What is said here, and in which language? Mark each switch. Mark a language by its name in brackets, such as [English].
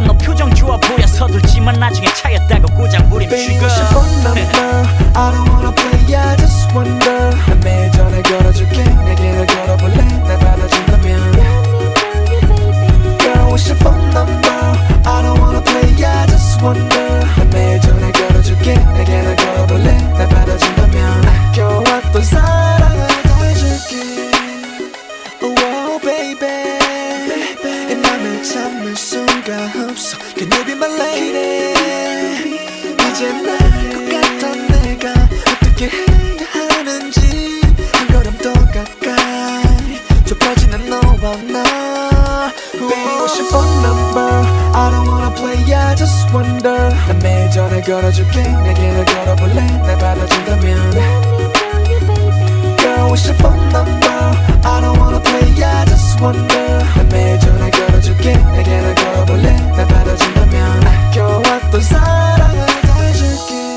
[Korean] 너 표정 좋아 보여 서둘지만 나중에 차였다고 꼬장부림 Baby, 죽어. [English] Baby, what's your phone number? I don't wanna play, I just wonder. [Korean] 난 매일 전화 걸어줄게. 내게로 걸어볼래? 날 받아준다면. [English] Girl, what's your phone number? I don't wanna play, I just wonder. [Korean] 난 매일 전화 걸어줄게. 내게로 걸어볼래? 날 받아준다면. 아껴왔던 사랑을 다해줄게. Oh, baby. 참을 수가 없어. [English] Can you be my lady? [Korean] 이제 날 것 같아 내가 어떻게 해야 하는지 한 걸음 더 가까이 좁혀지는 너와 나. [English] Baby, what's your phone number? I don't wanna play, I just wonder. [Korean] 난 매일 전화 걸어줄게. 내게로 걸어볼래? 날 받아준다면. [English] Girl, what's your phone number? I don't wanna play, I just wonder. [Korean] 난 매일 전화 걸어줄게. 내게로 걸어볼래? 날 받아준다면. 아껴왔던 사랑을 다해줄게.